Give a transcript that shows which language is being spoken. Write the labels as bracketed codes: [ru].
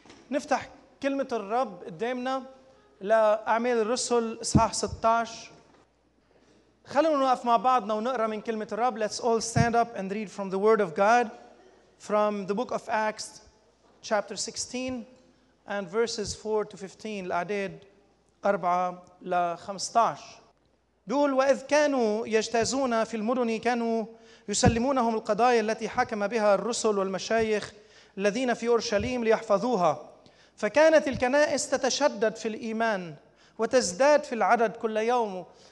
[ar] نفتح كلمة الرب قدامنا لأعمال الرسل إصحاح 16. خلونا نقف مع بعضنا ونقرأ من كلمة الرب. [en] Let's all stand up and read from the Word of God from the book of Acts chapter 16 and verses 4 to 15. [ar] الأعداد 4 ل 15 بيقول: وإذ كانوا يجتازون في المدن كانوا يسلمونهم القضايا التي حكم بها الرسل والمشايخ الذين في أورشليم ليحفظوها، فكانت الكنائس تتشدد في الإيمان وتزداد في العدد كل يوم.